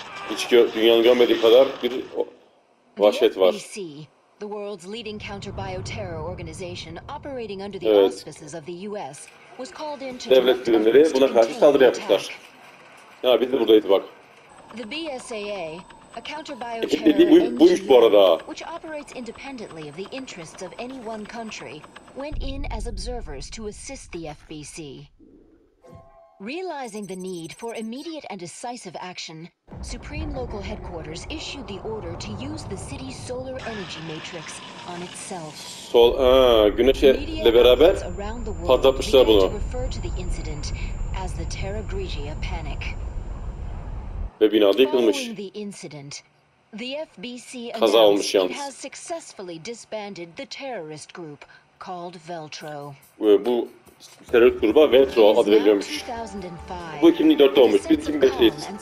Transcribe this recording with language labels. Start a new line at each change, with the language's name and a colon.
Turkish: Hiç dünyanın görmediği kadar bir vahşet var.
English: The world's leading counter-bioterror organization operating under the auspices of the US was called in to
Turkish: devlet bilimleri buna karşı saldırı yaptılar. Ya biz de buradaydı bak.
English: The BSAA, a counter-bioterror
Turkish: buymuş bu arada.
English: Which operates independently of the interests of any one country, went in as observers to assist the FBC. Realizing the need for immediate and decisive action, Supreme Local Headquarters issued the order to use the city's solar energy matrix on itself.
Turkish: Güneşle beraber patlatmışlar bunu.
English: Media refer to the incident as the Terra Grigia panic.
Turkish: Ve bina yıkılmış.
English: The incident, the FBC
Turkish: kaza olmuş yalnız.
English: Has successfully disbanded the terrorist group called Veltro.
Turkish: Ve bu terörist gruba Veltro adı veriliyormuş. Bu 2004'te olmuş. Biz 2005'teyiz.